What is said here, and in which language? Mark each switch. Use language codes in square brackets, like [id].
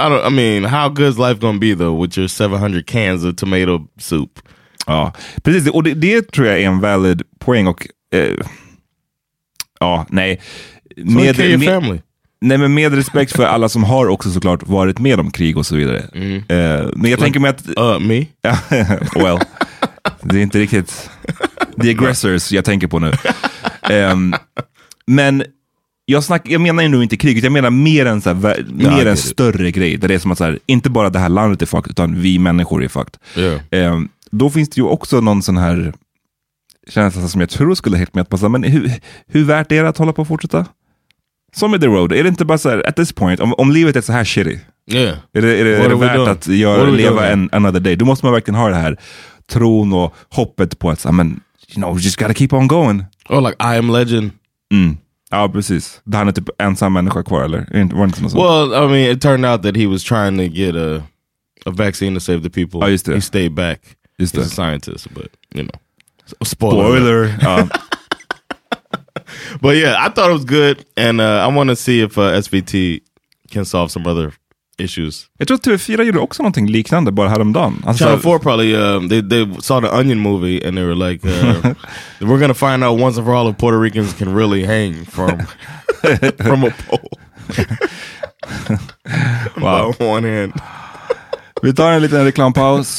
[en] I mean, how good is life going to be though with your 700 cans of tomato soup? [sv] Ja, precis. Och det tror jag är en valid poäng. Och [en] your family. [sv] Nej, men med respekt för alla som har också såklart varit med om krig och så vidare. Men jag tänker mig att... [en] Me? [sv] Well, det är inte riktigt [en] the aggressors [sv] jag tänker på nu. Men jag menar ju nu inte krig, jag menar mer än, så här, mer än större grej. Där det är som att så här, inte bara det här landet är fucked, utan vi människor är fucked. [en] Yeah. [sv] Då finns det ju också någon sån här känsla som jag tror skulle helt med att passa. Men hur värt är det att hålla på och fortsätta? Som i The Road, är det inte bara så här, [en] at this point, [sv] om livet är så här shitty, är det värt [en] doing? [sv] Att göra, leva [en] another day? [sv] Då måste man verkligen ha det här tron och hoppet på att, [en] you know, we just gotta keep on going. Oh, like I Am Legend. [sv] Ja, precis. Det här är typ ensam människa kvar, eller? [en] Well, I mean, it turned out that he was trying to get a vaccine to save the people. [sv] Ja, just det. [en] He stayed back. [sv] Just [en] he's [sv] det. [en] A scientist, but, you know. Spoiler. But yeah, I thought it was good, and I want to see if SVT can solve some other issues. [sv] Jag tror TV4 gjorde också någonting liknande, bara häromdagen. [en] Alltså, Channel 4 probably, they saw the Onion movie, and they were like, we're going to find out once and for all if Puerto Ricans can really hang from from a pole. Wow. By one hand. [sv] Vi tar en liten reklampaus,